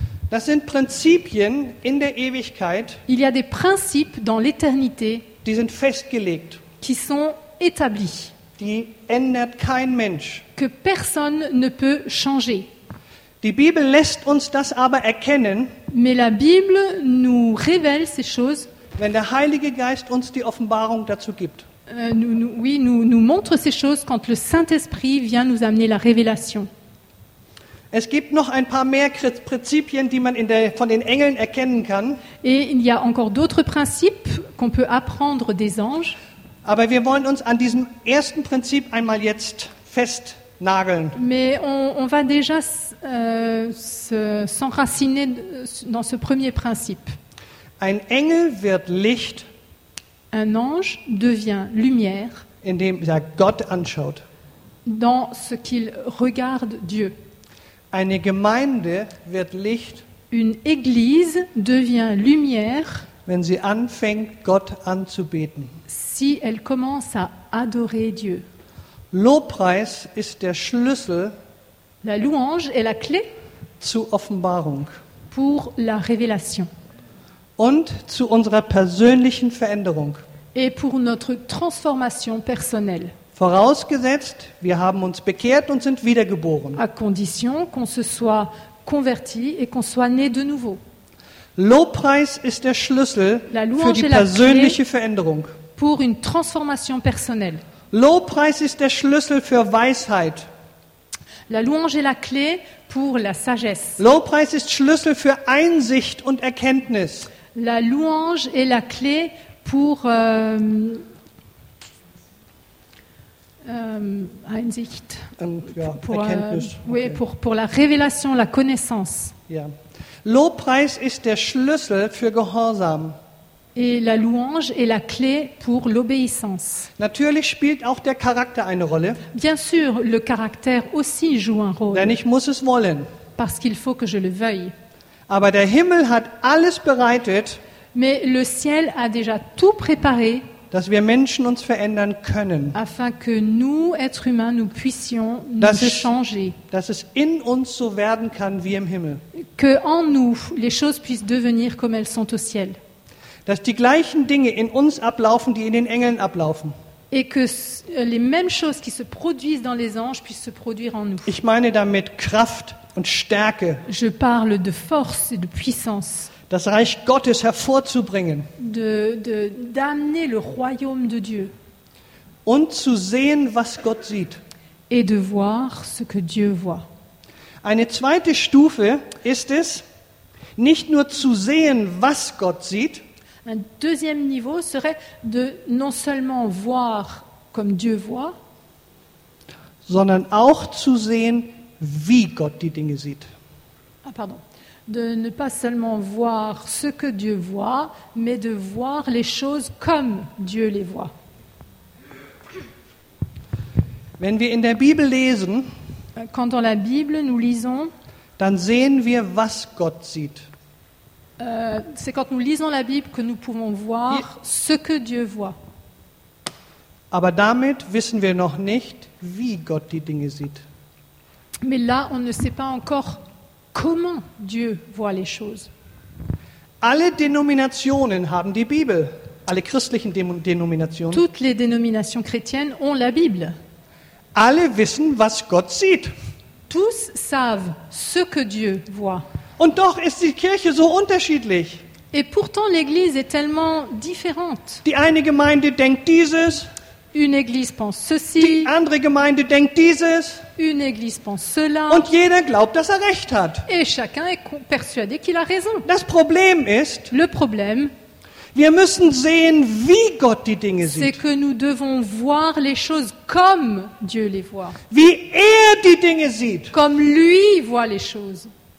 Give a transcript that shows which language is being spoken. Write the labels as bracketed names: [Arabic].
[German] Das sind Prinzipien in der Ewigkeit. [French] Il y a des principes dans l'éternité. [German] Die sind festgelegt. [French] Qui sont établis. [German] Die ändert kein Mensch. [French] Que personne ne peut changer. [German] Die Bibel lässt uns das aber erkennen. [French] Mais la Bible nous révèle ces choses. [German] Wenn der Heilige Geist uns die Offenbarung dazu gibt. [French] Nous montre ces choses quand le Saint-Esprit vient nous amener la révélation. [German] Es gibt noch ein paar mehr Prinzipien, die man von den Engeln erkennen kann. [French] Et il y a encore d'autres principes qu'on peut apprendre des anges. [German] Aber wir wollen uns an diesem ersten Prinzip einmal jetzt fest nageln. [French] Mais on va déjà s'enraciner dans ce premier principe. [German] Ein Engel wird Licht. [French] Un ange devient lumière. [German] Indem er Gott anschaut. [French] Dans ce qu'il regarde Dieu. [German] Eine Gemeinde wird Licht. [French] Une église devient lumière. [German] Wenn sie anfängt, Gott anzubeten. [French] Si elle commence à adorer Dieu. [German] Lobpreis ist der Schlüssel. [French] La louange est la clé. [German] Zu Offenbarung. [French] Pour la révélation. [German] Und zu unserer persönlichen Veränderung. [French] Et pour notre transformation personnelle. [German] Vorausgesetzt, wir haben uns bekehrt und sind wiedergeboren. [French] À condition qu'on se soit converti et qu'on soit né de nouveau. [German] Lobpreis ist der Schlüssel für die persönliche Veränderung. [French] Pour une transformation personnelle. [German] Lobpreis ist der Schlüssel für Weisheit. [French] La louange est la clé pour la sagesse. [German] Lobpreis ist Schlüssel für Einsicht und Erkenntnis. [French] La louange est la clé pour [German] Einsicht. Erkenntnis. [French] Okay. Oui, pour la révélation, la connaissance. [German] Ja. Lobpreis ist der Schlüssel für Gehorsam. [French] Et la louange est la clé pour l'obéissance. [German] Natürlich spielt auch der Charakter eine Rolle. [French] Bien sûr, le caractère aussi joue un rôle. [German] Denn ich muss es wollen. [French] Parce qu'il faut que je le veuille. [German] Aber der Himmel hat alles bereitet. [French] Mais le ciel a déjà tout préparé. [German] Dass wir Menschen uns verändern können. [French] Afin que nous, êtres humains, nous puissions nous changer. [German] Dass es in uns so werden kann wie im Himmel. [French] Que en nous, les choses puissent devenir comme elles sont au ciel. [German] Dass die gleichen Dinge in uns ablaufen, die in den Engeln ablaufen. [French] Et que les mêmes choses qui se produisent dans les anges puissent se produire en nous. [German] Ich meine damit Kraft und Stärke. [French] Je parle de force et de puissance. [German] Das Reich Gottes hervorzubringen. [French] D'amener le royaume de Dieu. [German] Und zu sehen, was Gott sieht. [French] Et de voir ce que Dieu voit. [German] Eine zweite Stufe ist es, nicht nur zu sehen, was Gott sieht. [French] Un deuxième niveau serait de non seulement voir comme Dieu voit, [German] sondern auch zu sehen, wie Gott die Dinge sieht. [French] Ah, pardon. De ne pas seulement voir ce que Dieu voit, mais de voir les choses comme Dieu les voit. [German] Wenn wir in der Bibel lesen, [French] quand dans la Bible nous lisons, [German] dann sehen wir, was Gott sieht. [French] C'est quand nous lisons la Bible que nous pouvons voir ce que Dieu voit. [German] Aber damit wissen wir noch nicht, wie Gott die Dinge sieht. [French] Mais là, on ne sait pas encore comment Dieu voit les choses. [German] Alle Denominationen haben die Bibel. Alle christlichen Denominationen. [French] Toutes les dénominations chrétiennes ont la Bible. [German] Alle wissen, was Gott sieht. [French] Tous savent ce que Dieu voit. [German] Und doch ist die Kirche so unterschiedlich. [French] Et pourtant l'église est tellement différente. [German] Die eine Gemeinde denkt dieses. [French] Une église pense ceci. [German] Die andere Gemeinde denkt dieses. [French] Une église pense cela. [German] Und jeder glaubt, dass er recht hat. [French] Et chacun est persuadé qu'il a raison. [German] Das Problem ist, [French] le problème, [German] wir müssen sehen, wie Gott die Dinge sieht. [French] C'est que nous devons voir les choses comme Dieu les voit. [German] Wie er die Dinge sieht. [French] Comme lui voit les choses.